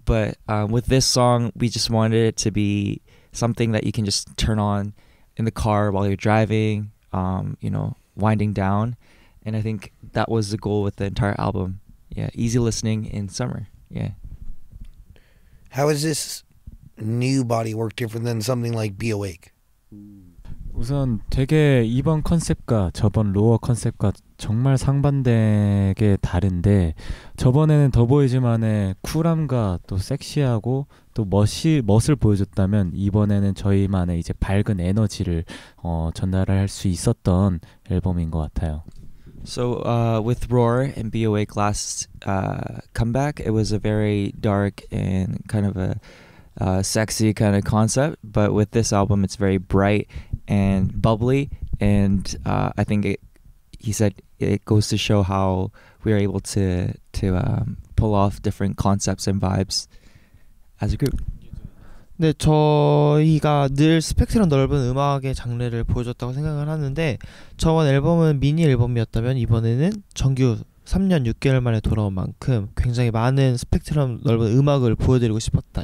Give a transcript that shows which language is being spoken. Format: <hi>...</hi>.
<en>But with this song, we just wanted it to be something that you can just turn on in the car while you're driving, you know, winding down. And I think that was the goal with the entire album. Yeah, easy listening in summer. Yeah. How is this new body work different than something like Be Awake?</en> <ko>우선 되게 이번 컨셉과 저번 로어 컨셉과 정말 상반되게 다른데 저번에는 더 보이지만의 쿨함과 또 섹시하고 또 멋을 보여줬다면 이번에는 저희만의 이제 밝은 에너지를 전달할 수 있었던 앨범인 것 같아요.</ko> <en>So with Roar and Be Awake last comeback, it was a very dark and kind of a sexy kind of concept. But with this album, it's very bright and bubbly. And I think it goes to show how we are able to pull off different concepts and vibes as a group.</en> <ko>네, 저희가 늘 스펙트럼 넓은 음악의 장르를 보여줬다고 생각을 하는데 저번 앨범은 미니 앨범이었다면 이번에는 정규 3년 6개월 만에 돌아온 만큼 굉장히 많은 스펙트럼 넓은 음악을 보여드리고 싶었다.</ko>